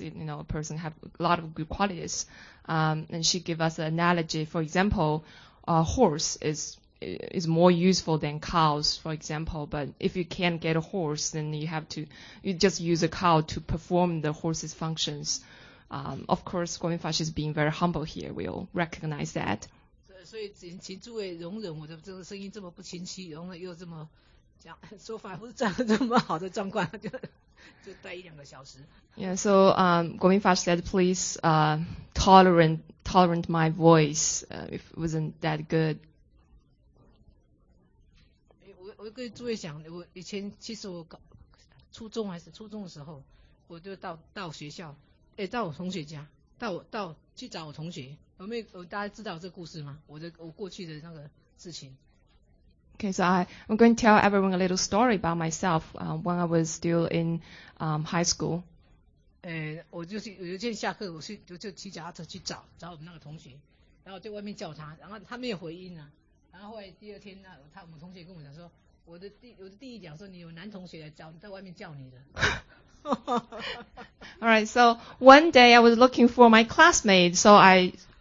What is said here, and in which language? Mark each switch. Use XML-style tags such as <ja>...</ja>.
<en>You know, a person have a lot of good qualities. And she gave us an analogy. For example, a horse is more useful than cows, for example. But if you can't get a horse, then you just use a cow to perform the horse's functions. Of course, Guo Ming Fa Shi is being very humble here. We all recognize that.</en> <zh>所以请诸位容忍我的这个声音这么不清晰，然后又这么讲说法不是这么好的状况，就待一两个小时。</zh> <en>Yeah, so Guo Ming Fa Shi said, please tolerate my voice if it wasn't that good.</en> <zh>我跟诸位讲，我以前其实我初中的时候，我就到学校，到我同学家，到去找我同学。有大家知道这故事吗？我过去的那个事情。</zh> <en>Okay, so I'm going to tell everyone a little story about myself. When I was still in high school.</en> <zh>我就是有一天下课，我就骑脚踏车去找我们那个同学，然后在外面叫他，然后他没有回应呢。然后后来第二天呢，我们同学跟我讲说，我的弟弟讲说，你有男同学来找你，在外面叫你的。</zh> <en>All right, so one day I was looking for my classmate, so I.</en>